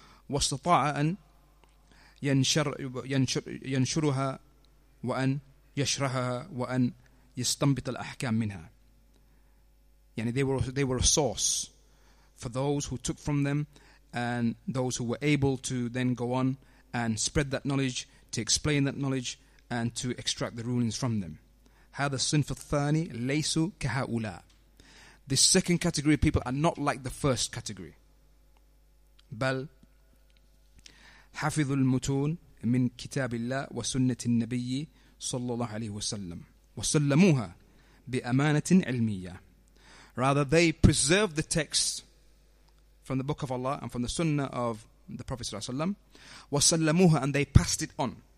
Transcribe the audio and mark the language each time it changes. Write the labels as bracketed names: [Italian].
[Arabic] وَاسْتَطَاعَ أَنْ يَنْشُرُهَا وَأَنْ يَشْرَحَهَا وَأَنْ يَسْتَنْبِطَ الْأَحْكَامَ مِنْهَا. [English] Yani they were a source for those who took from them, and those who were able to then go on and spread that knowledge, to explain that knowledge, and to extract the rulings from them. [Arabic] هذا الصنف الثاني ليسوا كهؤلاء. [English] This second category of people are not like the first category. [Arabic] بل حفظوا المتون من كتاب الله وسنة النبي صلى الله عليه وسلم وسلموها بأمانة علمية. [English] Rather, they preserve the text from the Book of Allah and from the Sunnah of the Prophet ﷺ, وَسَلَّمُوهَا, and they passed it on.